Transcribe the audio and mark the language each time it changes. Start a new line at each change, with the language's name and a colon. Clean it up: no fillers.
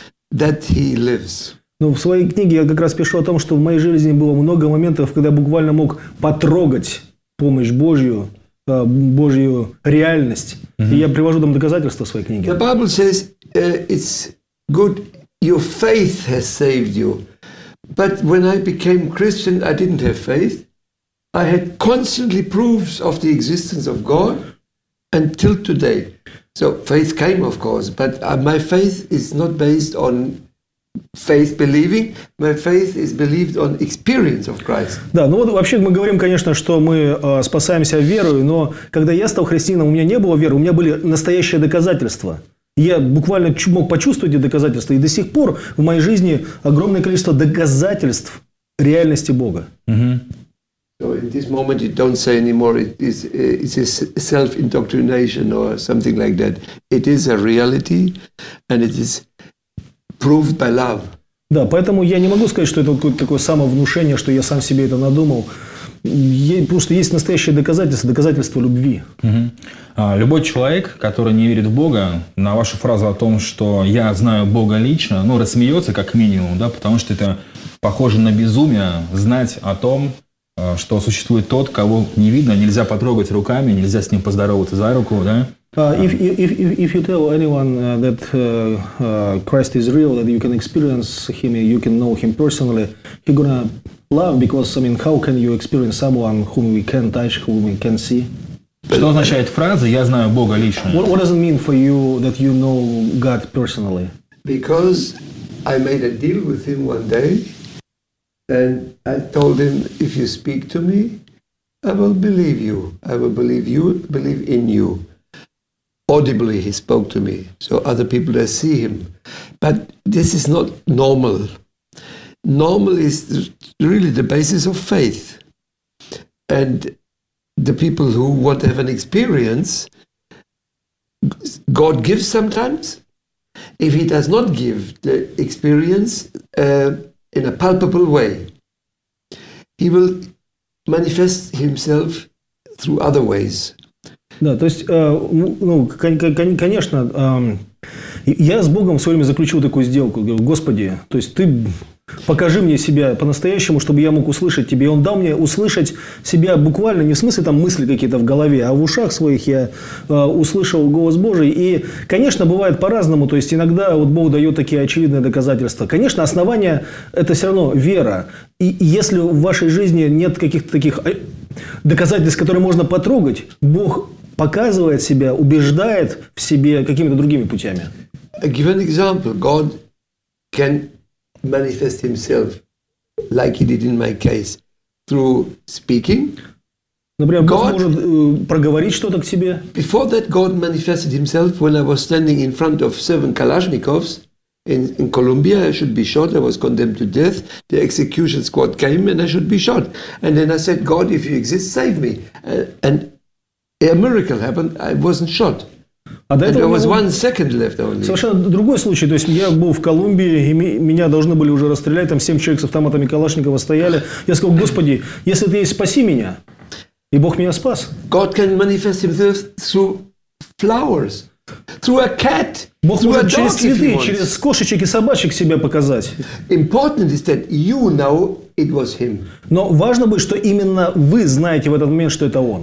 Russian: Но в своей книге я как раз пишу о том, что в моей жизни было много моментов, когда я буквально мог потрогать помощь Божью, Божью реальность. Mm-hmm. И я привожу там доказательства в своей книге.
English: The Bible says it's good your faith has saved you. But when I became Christian, I didn't have faith. I had constantly proofs of the existence of God until today. So faith came, of course, but my faith is not based on faith believing. My faith is believed on experience of Christ.
Russian: Да, ну вот вообще мы говорим, конечно, что мы спасаемся верою, но когда я стал христианином, у меня не было веры, у меня были настоящие доказательства. Я буквально мог почувствовать эти доказательства, и до сих пор в моей жизни огромное количество доказательств реальности Бога. Угу.
English: So in this moment you don't say anymore it's a self-indoctrination or something like that. It is a reality and it is proved by love.
Russian: Да, поэтому я не могу сказать, что это какое-то такое самовнушение, что я сам себе это надумал. Просто есть настоящие доказательства, доказательства любви. Угу. Любой человек, который не верит в Бога, на вашу фразу о том, что я знаю Бога лично, ну, рассмеется как минимум, да, потому что это похоже на безумие знать о том, что существует тот, кого не видно, нельзя потрогать руками, нельзя с ним поздороваться за руку, да?
English: If you tell anyone that Christ is real, that you can experience him, you can know him personally, he's gonna laugh because, I mean, how can you experience someone whom we can touch, whom we can see?
Russian: Что означает фраза «Я знаю Бога лично»?
English: What does it mean for you that you know God personally? Because I made a deal with him one day. And I told him, if you speak to me, I will believe you. I will believe you, believe in you. Audibly he spoke to me, so other people that see him. But this is not normal. Normal is really the basis of faith. And the people who want to have an experience, God gives sometimes. If he does not give the experience, in a palpable way, he will manifest himself through other ways.
Russian: Да, то есть, ну, конечно, я с Богом в свое время заключил такую сделку. Говорю, Господи, то есть ты покажи мне себя по-настоящему, чтобы я мог услышать тебя. И он дал мне услышать себя буквально, не в смысле там мысли какие-то в голове, а в ушах своих я услышал голос Божий. И, конечно, бывает по-разному. То есть, иногда вот Бог дает такие очевидные доказательства. Конечно, основание – это все равно вера. И если в вашей жизни нет каких-то таких доказательств, которые можно потрогать, Бог показывает себя, убеждает в себе какими-то другими путями.
English: A given example, God can manifest himself like he did in my case through speaking.
Russian: Например, God может проговорить что-то к себе.
English: Before that God manifested himself when I was standing in front of 7 Kalashnikovs in Colombia. I should be shot. I was condemned to death. The execution squad came and I should be shot. And then I said, God, if you exist, save me. And a miracle happened. I wasn't shot.
Russian: Совершенно другой случай. То есть я был в Колумбии, и меня должны были уже расстрелять. Там 7 человек с автоматами Калашникова стояли. Я сказал, Господи, если ты есть, спаси меня. И Бог меня спас.
English: God can manifest himself through flowers, through a cat.
Russian: Бог может через цветы, через кошечек и собачек себя показать.
English: Important is that you know it was him.
Russian: Но важно быть, что именно вы знаете в этот момент, что это он.